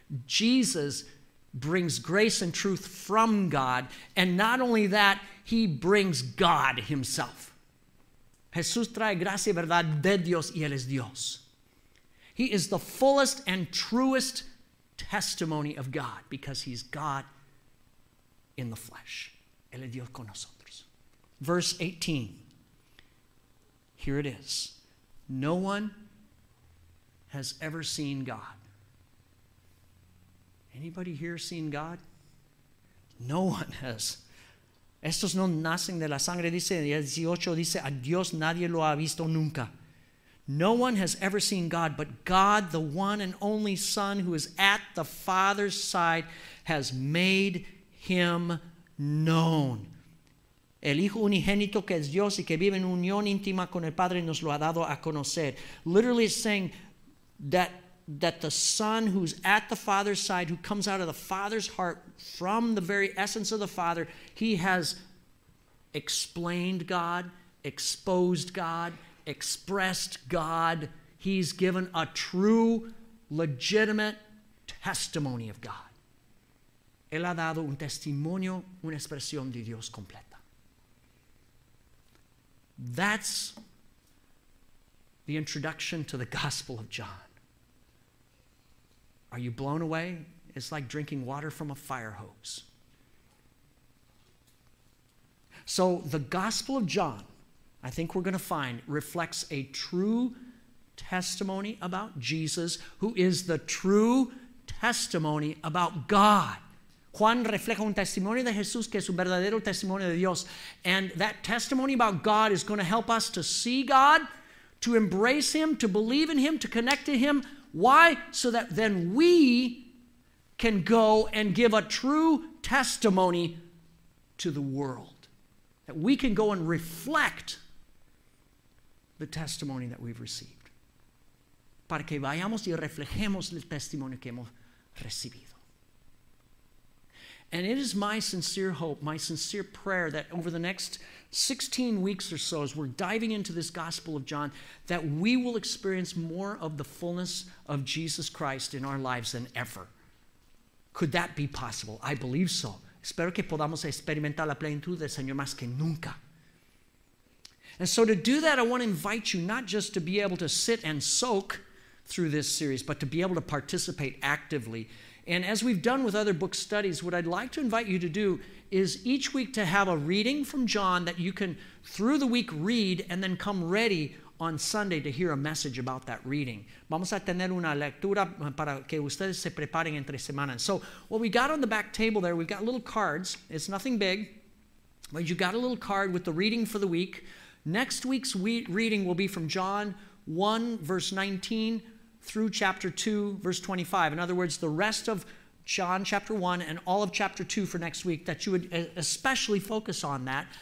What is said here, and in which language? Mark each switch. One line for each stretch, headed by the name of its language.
English: Jesus brings grace and truth from God. And not only that, he brings God himself.
Spanish: Jesús trae gracia y verdad de Dios y Él es Dios.
English: He is the fullest and truest testimony of God because he's God in the flesh.
Spanish: Él es Dios con nosotros.
English: Verse 18. Here it is. No one has ever seen God. Anybody here seen God? No one has.
Spanish: Estos no nacen de la sangre, dice 18, dice, a Dios nadie lo ha visto nunca.
English: No one has ever seen God, but God, the one and only Son who is at the Father's side, has made him known.
Spanish: El Hijo unigénito que es Dios y que vive en unión íntima con el Padre nos lo ha dado a conocer.
English: Literally saying that the Son who's at the Father's side, who comes out of the Father's heart from the very essence of the Father, he has explained God, exposed God, expressed God. He's given a true, legitimate testimony of God.
Spanish: Él ha dado un testimonio, una expresión de Dios completa.
English: That's the introduction to the Gospel of John. Are you blown away? It's like drinking water from a fire hose. So the Gospel of John, I think we're going to find, reflects a true testimony about Jesus, who is the true testimony about God.
Spanish: Juan refleja un testimonio de Jesús que es un verdadero testimonio de Dios.
English: And that testimony about God is going to help us to see God, to embrace him, to believe in him, to connect to him. Why? So that then we can go and give a true testimony to the world. That we can go and reflect the testimony that we've received.
Spanish: Para que vayamos y reflejemos el testimonio que hemos recibido.
English: And it is my sincere hope, my sincere prayer, that over the next 16 weeks or so, as we're diving into this Gospel of John, that we will experience more of the fullness of Jesus Christ in our lives than ever. Could that be possible? I believe so.
Spanish: Espero que podamos experimentar la plenitud del Señor más que nunca.
English: And so to do that, I want to invite you not just to be able to sit and soak through this series, but to be able to participate actively. And as we've done with other book studies, what I'd like to invite you to do is each week to have a reading from John that you can, through the week, read and then come ready on Sunday to hear a message about that reading.
Spanish: Vamos a tener una lectura para que ustedes se preparen entre semanas.
English: So what we got on the back table there, we've got little cards. It's nothing big, but you got a little card with the reading for the week. Next week's reading will be from John 1, verse 19, through chapter 2, verse 25. In other words, the rest of John chapter 1 and all of chapter 2 for next week, that you would especially focus on that.